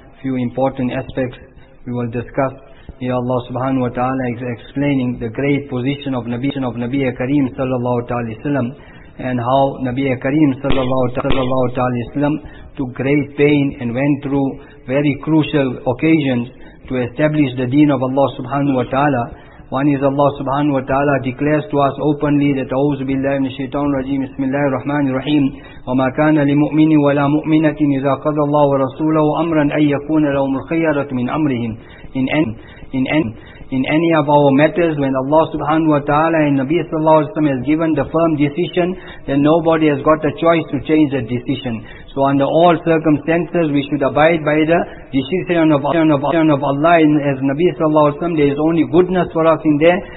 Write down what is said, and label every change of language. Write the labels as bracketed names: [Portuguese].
[English] Few important aspects we will discuss. Here Allah subhanahu wa ta'ala is explaining the great position of Nabi Kareem sallallahu ta'ala sallam, and how Nabi Kareem sallallahu ta'ala sallam took great pain and went through very crucial occasions to establish the deen of Allah subhanahu wa ta'ala. One is Allah subhanahu wa ta'ala declares to us openly that [Arabic] أعوذ بالله من الشيطان الرجيم بسم الله الرحمن الرحيم وما كان لمؤمن ولا مؤمنة إذا قضى الله ورسوله أمرا أن يكون لهم الخيرة من أمرهم. [English] In any of our matters, when Allah subhanahu wa ta'ala and Nabi sallallahu alayhi wa sallam has given the firm decision, then nobody has got the choice to change the decision. So under all circumstances, we should abide by the decision of Allah. And as Nabi sallallahu alayhi wa sallam, there is only goodness for us in there.